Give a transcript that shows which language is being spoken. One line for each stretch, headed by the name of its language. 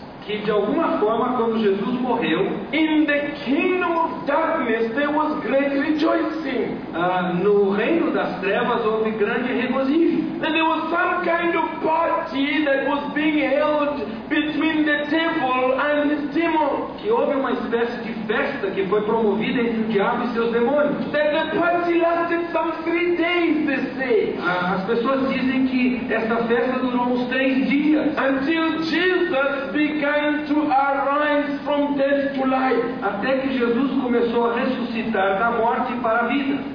Portuguese: que de alguma forma quando Jesus morreu,
English: in the kingdom of darkness there was great rejoicing.
Portuguese: No reino das trevas houve grande regozijo.
English: And there was some kind of party that was being held between the devil and his demon.
Portuguese: Que houve uma espécie de festa que foi promovida entre o diabo e seus demônios.
English: That the party lasted some 3 days, they say.
Portuguese: As pessoas dizem que essa festa durou uns 3 dias.
English: Until Jesus began to arise from death to life.
Portuguese: Até que Jesus começou a ressuscitar da morte para a vida.